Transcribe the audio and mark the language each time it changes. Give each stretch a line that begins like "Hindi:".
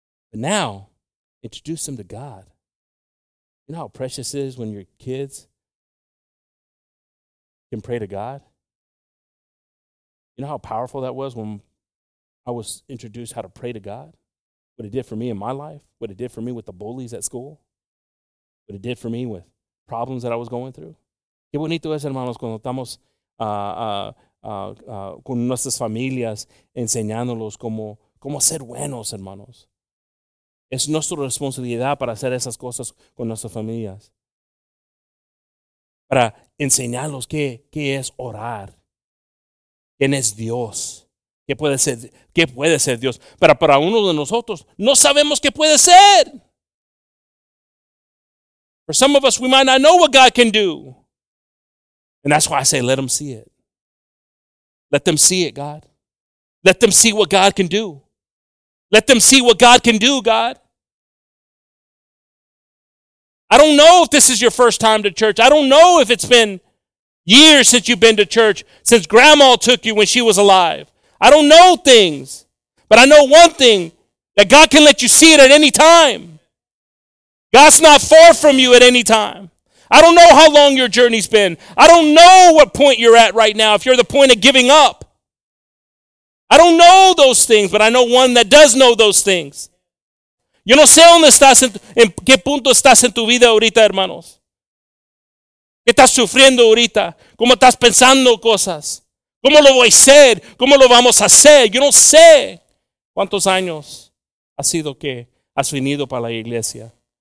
English: But now, introduce them to God. You know how precious it is when your kids can pray to God? You know how powerful that was when I was introduced how to pray to God? What it did for me in my life? What it did for me with the bullies at school? What it did for me with problems that I was going through?
Spanish: Qué bonito es, hermanos, cuando estamos con nuestras familias enseñándolos cómo ser buenos, hermanos. Es nuestra responsabilidad para hacer esas cosas con nuestras familias. Para enseñarlos qué es orar. ¿Quién es Dios? ¿Qué puede ser Dios? Pero para uno de nosotros, no sabemos qué puede ser.
English: For some of us, we might not know what God can do. And that's why I say, let them see it. Let them see it, God. Let them see what God can do. Let them see what God can do, God. I don't know if this is your first time to church. I don't know if it's been years since you've been to church, since grandma took you when she was alive. I don't know things, but I know one thing, that God can let you see it at any time. God's not far from you at any time. I don't know how long your journey's been. I don't know what point you're at right now, if you're the point of giving up. I don't know those things, but I know one that does know those things.
Spanish: Yo no sé dónde estás, en qué punto estás en tu vida ahorita, hermanos. ¿Qué estás sufriendo ahorita? ¿Cómo estás pensando cosas? ¿Cómo lo voy a hacer? ¿Cómo lo vamos a hacer? Yo no sé. ¿Cuántos años ha sido que has venido para la iglesia?